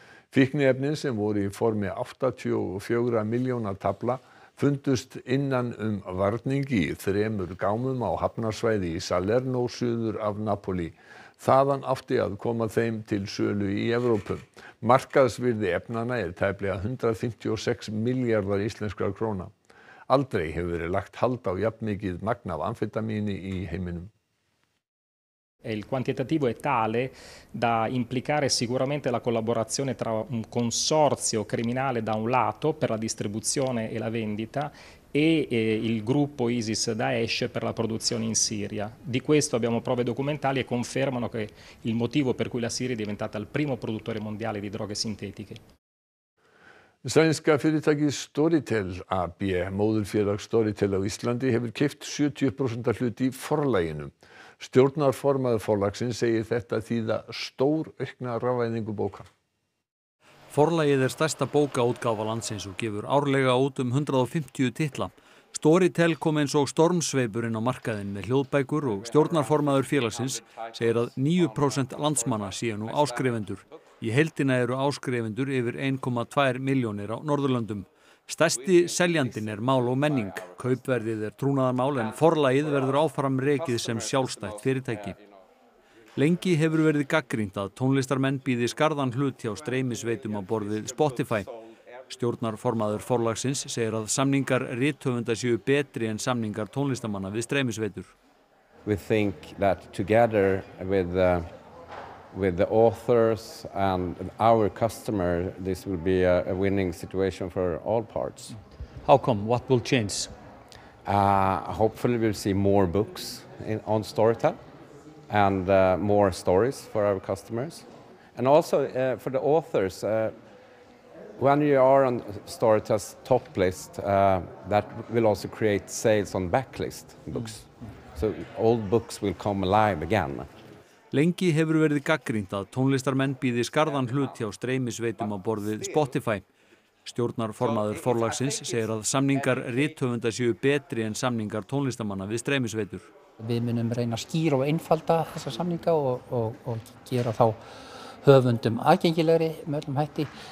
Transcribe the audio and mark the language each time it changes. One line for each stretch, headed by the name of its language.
Icelandic: Fíkniefnin sem voru í formi 84 milljóna tafla fundust innan varningi í þremur gámum á hafnarsvæði í Salerno suður af Napoli. Þaðan átti að koma þeim til sölu í Evrópu. Markaðsvirði efnana er tæplega 156 milljarðar íslenskra króna. Aldrei hefur verið lagt hald á jafnmikið magn af amfetamíni í heiminum.
Italian: Il quantitativo è tale da implicare sicuramente la collaborazione tra un consorzio criminale da un lato per la distribuzione e la vendita e il gruppo ISIS Daesh per la produzione in Siria. Di questo abbiamo prove documentali e confermano che il motivo per cui la Siria è diventata il primo produttore mondiale di droghe sintetiche.
Icelandic: Sænska fyrirtæki Storytel AB, móðurfélag Storytel á Íslandi, hefur keypt 70% hlut í forlaginu. Stjórnarformaður forlagsins segir þetta þýða stór aukna rafvæðingu bóka. Forlagið er stærsta bókaútgáfa landsins og gefur árlega út 150 titla. Storytel kom eins og stormsveipurinn á markaðinn með hljóðbækur og stjórnarformaður félagsins segir að 9% landsmanna séu nú áskrifendur. Í heildina eru áskrifendur yfir 1,2 milljónir á Norðurlöndum. Stærsti seljandinn er mál og menning. Kaupverðið er trúnaðarmál en forlagið verður áfram rekið sem sjálfstætt fyrirtæki. Lengi hefur verið gagnrýnt að tónlistarmenn býði skarðan hlut hjá streymisveitum á borðið Spotify. Stjórnarformaður forlagsins segir að samningar rithöfunda séu betri en samningar tónlistamanna við streymisveitur.
English: We think that together with the authors and our customer, this will be a winning situation for all parts. How come? What will change? Hopefully we'll see more books on Storytel and more stories for our customers. And also for the authors, when you are on Storytel's top list, that will also create sales on backlist books. So old books will come alive again.
Icelandic: Lengi hefur verið gagnrýnt að tónlistarmenn býði skarðan hlut hjá streymisveitum á borðið Spotify. Stjórnarformaður forlagsins segir að samningar rithöfunda séu betri en samningar tónlistamanna við streymisveitur. Við munum reyna að skýra og einfalda þessa samninga og gera þá höfundum aðgengilegri með öllum hætti.